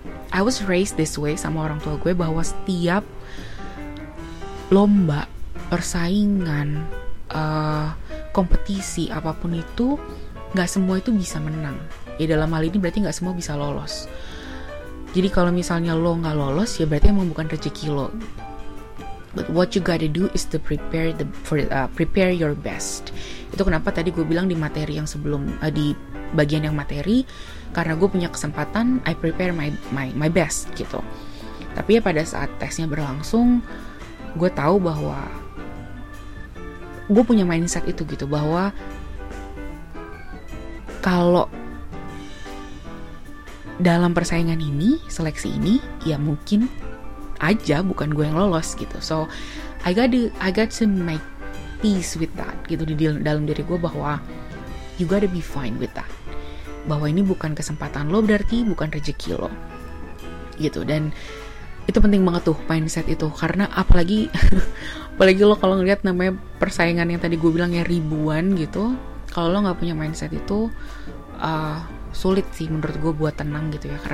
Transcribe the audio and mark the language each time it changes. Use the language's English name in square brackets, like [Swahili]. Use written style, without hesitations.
[English] I was raised this way [Indonesian] sama orang tua gue, bahwa setiap lomba, persaingan, kompetisi apapun itu, gak semua itu bisa menang. Ya dalam hal ini berarti gak semua bisa lolos. Jadi kalau misalnya lo gak lolos, ya berarti emang bukan rezeki lo. [English] But what you gotta do is to prepare prepare your best. [Indonesian] Itu kenapa tadi gue bilang di materi yang sebelum, di bagian yang materi, karena gue punya kesempatan, [English] I prepare my best [Indonesian] gitu. Tapi ya pada saat tesnya berlangsung, gue tahu bahwa gue punya mindset itu gitu, bahwa kalau dalam persaingan ini, seleksi ini, ya mungkin aja bukan gue yang lolos gitu. [English] So, I got to make peace with that [Indonesian] gitu di dalam diri gue, bahwa [English] you gotta be fine with that. [Indonesian] Bahwa ini bukan kesempatan lo, berarti bukan rezeki lo. Gitu, dan itu penting banget tuh mindset itu. Karena apalagi apalagi lo kalau ngeliat namanya persaingan yang tadi gue bilang ya ribuan gitu, kalau lo gak punya mindset itu, sulit sih menurut gue buat tenang gitu ya.